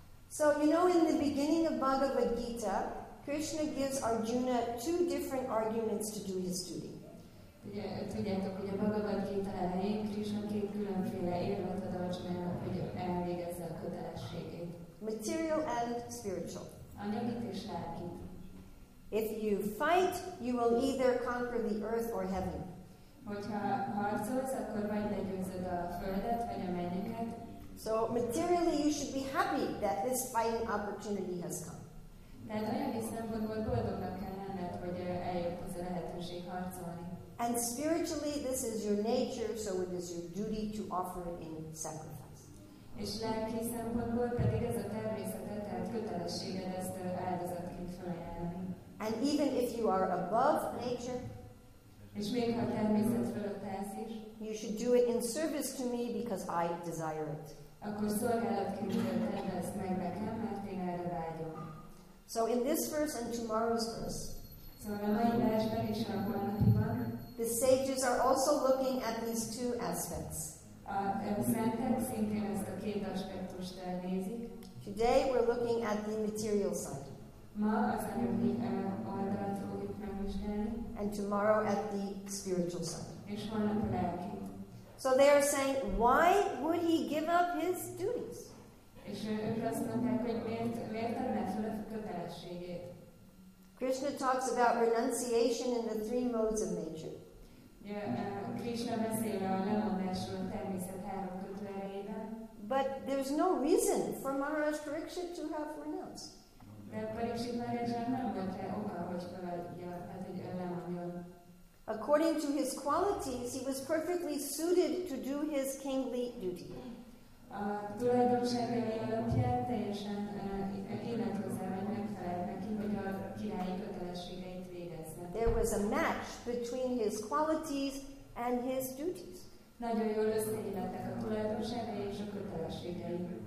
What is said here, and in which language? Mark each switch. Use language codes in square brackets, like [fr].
[en] So, you know, in the beginning of Bhagavad Gita, Krishna gives Arjuna two different arguments to do his duty. [hu] Tudjátok, hogy a Bhagavad Gita elején Krishna két különféle érvet ad Arjunának, hogy elvégezze a kötelességét. [en] Material and spiritual. [hu] Anyagit és lelkit. [en] If you fight, you will either conquer the earth or heaven. [hu] Hogyha harcolsz, akkor vagy legyőzöd a földet, vagy a mennyeket. [en] So materially you should be happy that this fighting opportunity has come. [hu] Tehát anyagi szempontból boldognak kell lenned, hogy eljött az a lehetőség harcolni. [en] And spiritually this is your nature, so it is your duty to offer it in sacrifice. [hu] És lelki szempontból pedig ez a természetet, tehát kötelességed ezt áldozatként felajánlani. [en] And even if you are above nature, [hu] és még ha természet fölött állsz is, [en] you should do it in service to me because I desire it. [hu] Akkor szolgálatként tedd ezt meg nekem, mert én erre vágyom. [en] So in this verse and tomorrow's verse, [hu] szóval a mai versben és a holnapiban, [en] the sages are also looking at these two aspects. [hu] A szentek szintén ezt a két aspektust nézik. [en] Today we're looking at the material side. [hu] Ma az anyagi oldalt fogjuk megvizsgálni. [en] And tomorrow at the spiritual side. [hu] És holnap a lelki. [en] So they are saying, why would he give up his duties? [hu] És ők azt mondták, hogy miért adná fel a kötelességét. [en] Krishna talks about renunciation in the three modes of nature. [hu] Krishna beszél a lemondásról a természet három kötőerejében. [en] But there's no reason for Maharaj Pariksit to have renounced. [hu] De Parikshit Maharajának nem volt rá oka, hogy feladja, hát hogy lemondjon. [en] According to his qualities, he was perfectly suited to do his kingly duty. [hu] A tulajdonságai alapján teljesen élethozzá vagy megfelelt neki, hogy a királyi kötelességeit végezze. [en] There was a match between his qualities and his duties. [hu] Nagyon jól összeillettek a tulajdonságai és a kötelességei.